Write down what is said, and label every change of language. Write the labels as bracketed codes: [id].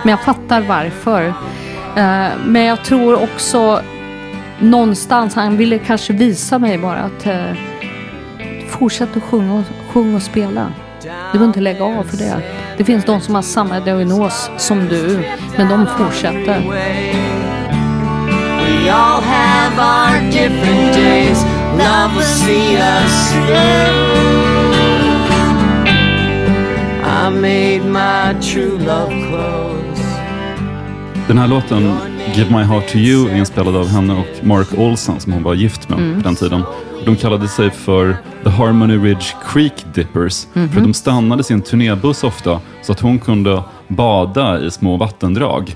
[sv] Men jag fattar varför. Men jag tror också någonstans han ville kanske visa mig bara att fortsätta att sjunga och spela. Du behöver inte lägga av för det. Det finns de som har samma diagnos som du, men de fortsätter. [en] We all have our different days. Love will see us through. I made my true love close. [sv] Den här låten, Give My Heart To You, är inspelad av henne och Mark Olsson som hon var gift med på den tiden. De kallade sig för The Harmony Ridge Creek Dippers. Mm-hmm. För de stannade sin turnébuss ofta så att hon kunde bada i små vattendrag.